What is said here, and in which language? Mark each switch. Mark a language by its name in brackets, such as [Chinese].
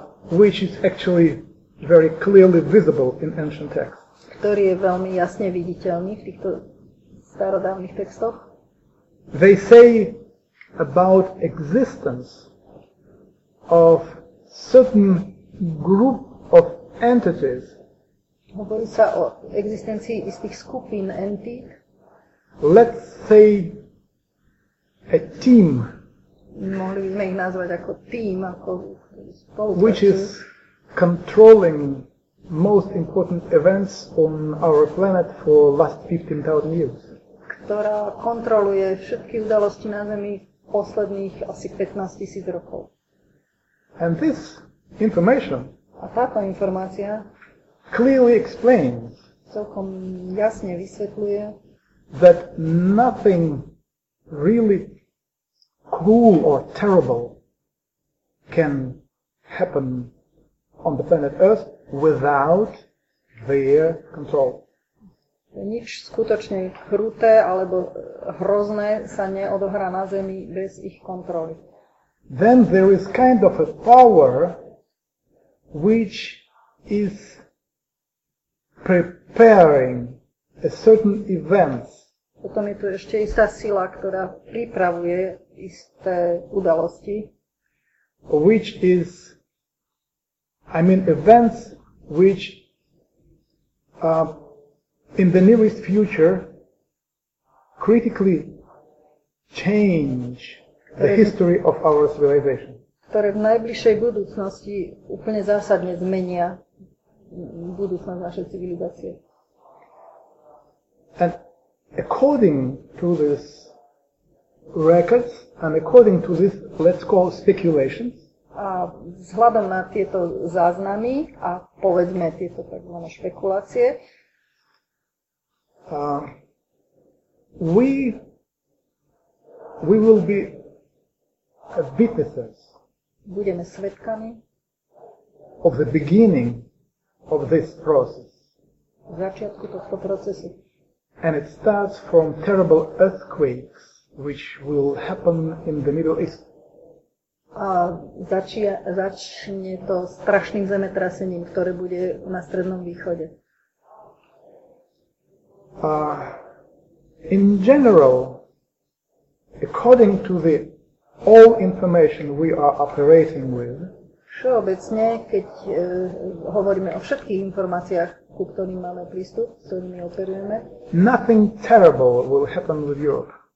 [English] which is actually very clearly visible in ancient texts, [Slovak] ktorý je veľmi jasne viditeľný v týchto starodávnych textoch. [English] They say about existence of certain group of entities. [Slovak] Hovorí sa o existencii istých skupín entít. [English] Let's say a team. [Slovak] Mohli by sme ich nazvať ako tým, ako spolu. [English] Which is controlling most important events on our planet for last 15,000 years. [Slovak] Ktorá kontroluje všetky udalosti na Zemi posledných asi 15,000 rokov. [English] And this information, [Slovak] a táto informácia, [English] clearly explains, [Slovak] celkom jasne vysvetľuje, [English] that nothing really cruel or terrible can happen on the planet Earth without their control. [Slovak] Nič skutočne kruté alebo hrozné sa neodohrá na Zemi bez ich kontroly. [English] Then there is kind of a power which is preparing a certain event. [Slovak] Potom je tu ešte istá sila, ktorá pripravuje isté udalosti. [English] Which is, I mean, events which in the nearest future critically change the history of our civilization. [Slovak] Ktoré v najbližšej budúcnosti úplne zásadne zmenia budúcnosť našej civilizácie. [English] And according to these records and according to this, let's call speculations, [Slovak] a vzhľadom na tieto záznamy a povedzme tieto takzvané špekulácie, [English] we we will be witnesses. [Slovak] Budeme svedkami [English] of the beginning of this process. [Slovak] Začiatku tohto procesu. [English] And it starts from terrible earthquakes which will happen in the Middle East. [Slovak] A začne to strašným zemetrasením, ktoré bude na Strednom východe. [English] In general, according to the all information we are operating with, [Slovak] všeobecne, keď hovoríme o všetkých informáciách, ku ktorým máme prístup, s ktorými operujeme, [English] nothing terrible will happen with Europe.